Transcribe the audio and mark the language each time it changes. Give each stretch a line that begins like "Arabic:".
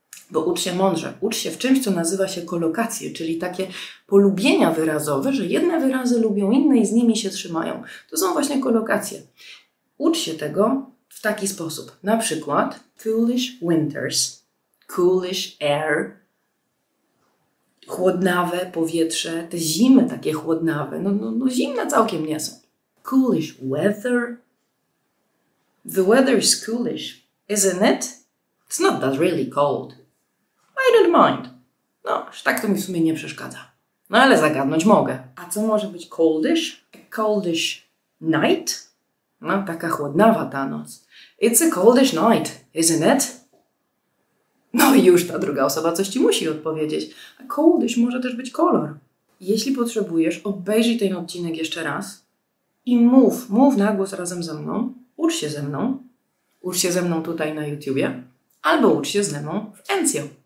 Polish: Bo ucz się mądrze, ucz się w czymś, co nazywa się kolokacje, czyli takie polubienia wyrazowe, że jedne wyrazy lubią inne i z nimi się trzymają. To są właśnie kolokacje. Ucz się tego w taki sposób. Na przykład
English: coolish winters, coolish air,
Polish: chłodnawe powietrze, te zimy takie chłodnawe, no zimne całkiem nie są.
English: Coolish weather, the weather is coolish, isn't it? It's not that really cold. I don't mind.
Polish: No, aż tak to mi w sumie nie przeszkadza. No, ale zagadnąć mogę. A co może być coldish?
English: A coldish night?
Polish: No, taka chłodnawa ta noc.
English: It's a coldish night, isn't it?
Polish: No i już ta druga osoba coś ci musi odpowiedzieć. A coldish może też być kolor. Jeśli potrzebujesz, obejrzyj ten odcinek jeszcze raz i mów na głos razem ze mną. Ucz się ze mną. Ucz się ze mną tutaj na YouTubie. Albo ucz się ze mną w Encio.